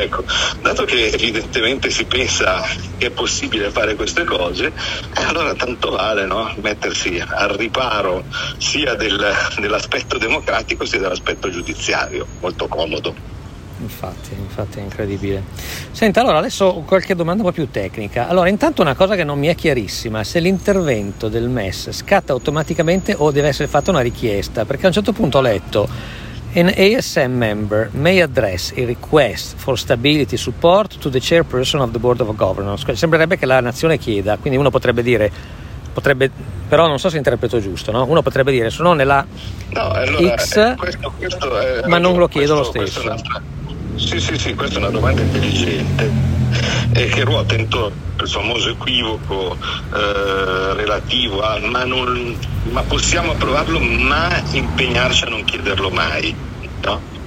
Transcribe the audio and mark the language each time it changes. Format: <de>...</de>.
<it>Ecco, dato che evidentemente si pensa che è possibile fare queste cose, allora tanto vale, no, mettersi al riparo sia dell'aspetto democratico sia dell'aspetto giudiziario, molto comodo. Infatti è incredibile. Senta, allora adesso qualche domanda un po' più tecnica. Allora, intanto una cosa che non mi è chiarissima: se l'intervento del MES scatta automaticamente o deve essere fatta una richiesta? Perché a un certo punto ho letto:</it> <en>an ASM member may address a request for stability support to the chairperson of the board of governors.</en> <it>Sembrerebbe che la nazione chieda, quindi uno potrebbe dire, potrebbe, però non so se interpreto giusto, no? Uno potrebbe dire, sono nella, no, allora, X, questo ma non lo chiedo lo stesso. Sì, questa è una domanda intelligente e che ruota intorno al famoso equivoco relativo a ma possiamo approvarlo, ma impegnarci a non chiederlo mai, no?</it>